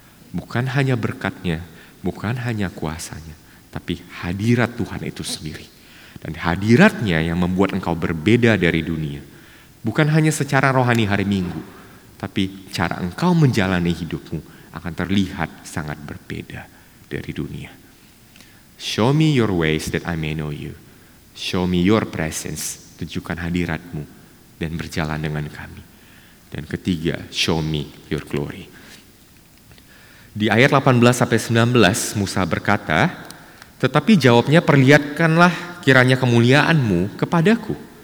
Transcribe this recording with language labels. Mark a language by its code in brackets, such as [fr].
[id] Bukan hanya berkat-Nya, bukan hanya kuasa-Nya, tapi hadirat Tuhan itu sendiri. Dan hadirat-Nya yang membuat engkau berbeda dari dunia. Bukan hanya secara rohani hari Minggu, tapi cara engkau menjalani hidupmu akan terlihat sangat berbeda dari dunia. [en] Show me your ways that I may know you. Show me your presence. [id] Tunjukkan hadirat-Mu dan berjalan dengan kami. Dan ketiga, [en] show me your glory. [id] Di ayat 18-19, Musa berkata, tetapi jawabnya, perlihatkanlah kiranya kemuliaan-Mu kepadaku.